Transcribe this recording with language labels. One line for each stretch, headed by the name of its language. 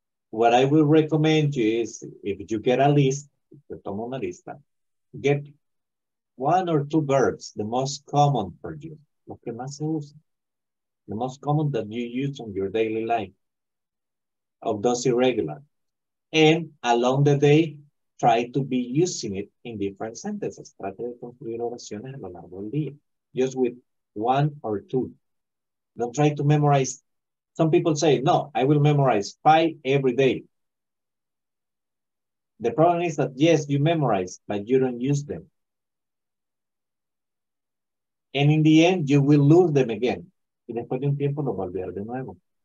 English: What I will recommend you is if you get a list,
Spanish: te tomo una lista,
English: get one or two verbs, the most common for you.
Spanish: Lo que más se usa.
English: The most common that you use on your daily life. Of those irregular. And along the day, try to be using it in different sentences.
Spanish: Trate de construir oraciones a lo largo del día.
English: Just with one or two. Don't try to memorize. Some people say, no, I will memorize 5 every day. The problem is that, yes, you memorize, but you don't use them. And in the end, you will lose them again.
Spanish: Y después de un tiempo, lo va a olvidar de nuevo.